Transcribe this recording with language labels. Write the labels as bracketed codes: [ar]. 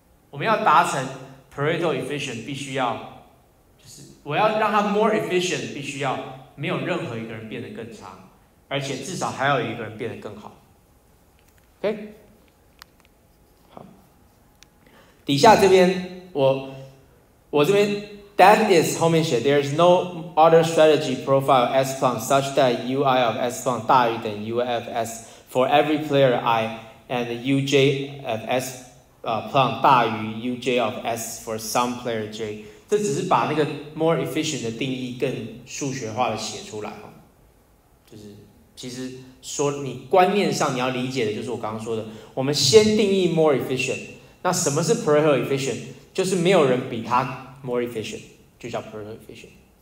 [zh] 我们要达成 Pareto efficient， 必须要就是我要让它 more efficient， 必须要没有任何一个人变得更差，而且至少还要有一个人变得更好。 OK， 好，底下这边我这边。 [en] That is [zh] 后面写 [en] There is no other strategy profile S plan such that UI of S plan [zh] 大于等 [en] UFS for every player I and UJ of S plan [zh] 大于 [en] UJ of S for some player J。 [zh] 这只是把那个 more efficient 的定义更数学化的写出来，就是其实说你观念上你要理解的就是我刚刚说的，我们先定义 more efficient。那什么是 Pareto efficient？ 就是没有人比他more efficient， 就叫 Pareto efficient。